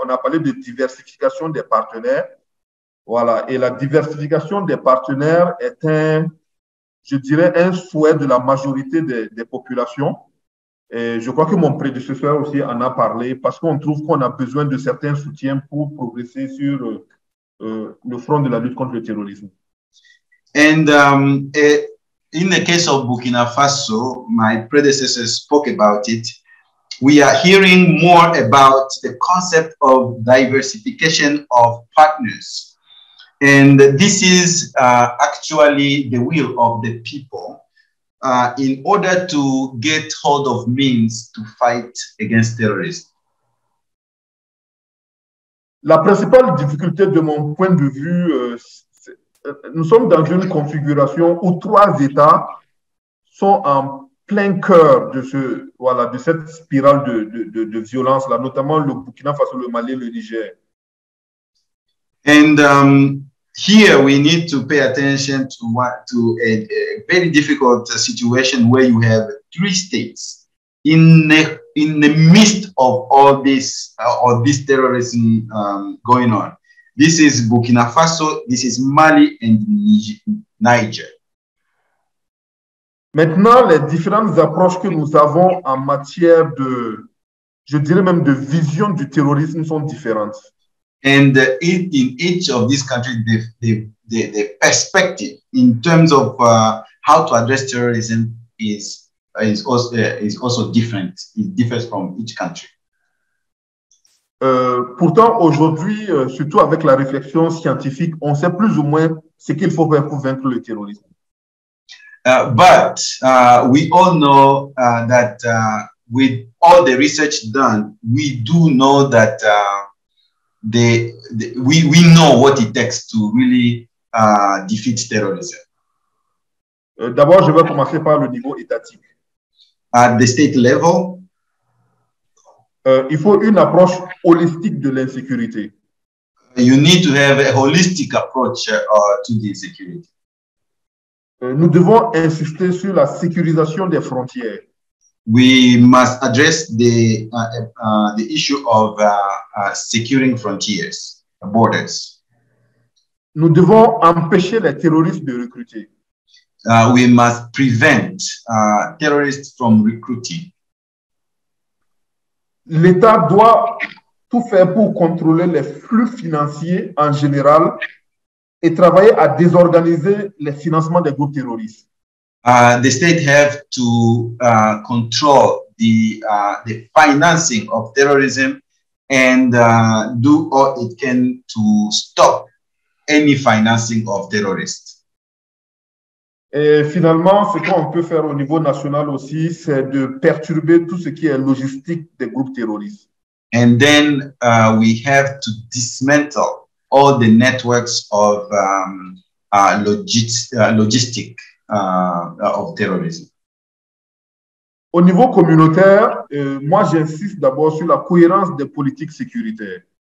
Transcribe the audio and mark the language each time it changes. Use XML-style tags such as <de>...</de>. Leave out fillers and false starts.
<fr>On a parlé de diversification des partenaires. Voilà, et la diversification des partenaires est un... je dirais un souhait de la majorité des populations. Et je crois que mon prédécesseur aussi en a parlé parce qu'on trouve qu'on a besoin de certains soutiens pour progresser sur le front de la lutte contre le terrorisme.</fr> <en>And in the case of Burkina Faso, my predecessor spoke about it. We are hearing more about the concept of diversification of partners. And this is actually the will of the people in order to get hold of means to fight against terrorism.</en> <fr>La principale difficulté de mon point de vue, nous sommes dans une configuration où trois États sont en plein cœur de ce voilà de cette spirale de violence là, notamment le Burkina Faso, le Mali, le Niger.</fr> <en>And here we need to pay attention to what to a very difficult situation where you have three states in the midst of all this or this terrorism going on. This is Burkina Faso, this is Mali and Niger.</en> <fr>Maintenant, les différentes approches que nous avons en matière de, je dirais même de vision du terrorisme sont différentes.</fr> <en>And in each of these countries, the perspective in terms of how to address terrorism is also different. It differs from each country.</en> <fr>Pourtant, aujourd'hui, surtout avec la réflexion scientifique, on sait plus ou moins ce qu'il faut faire pour vaincre le terrorisme.</fr> <en>But we all know that with all the research done, we do know that we know what it takes to really defeat terrorism.</en> <fr>D'abord, je vais commencer par le niveau étatique.</fr> <en>At the state level,</en> <fr>il faut une approche holistique de l'insécurité.</fr> <en>You need to have a holistic approach to the insecurity.</en> <fr>Nous devons insister sur la sécurisation des frontières.</fr> <en>We must address the issue of securing frontiers, borders.</en> <fr>Nous devons empêcher les terroristes de recruter.</fr> <en>We must prevent terrorists from recruiting.</en> <fr>L'État doit tout faire pour contrôler les flux financiers en général et travailler à désorganiser les financements des groupes terroristes.</fr> <en>The state have to control the financing of terrorism and do all it can to stop any financing of terrorists.</en> <fr>Et finalement, ce qu'on peut faire au niveau national aussi, c'est de perturber tout ce qui est logistique des groupes terroristes.</fr> <en>And then we have to dismantle all the networks of logistic of terrorism.</en> <fr>Au niveau communautaire, moi j'insiste d'abord sur la cohérence des politiques sécuritaires.</fr>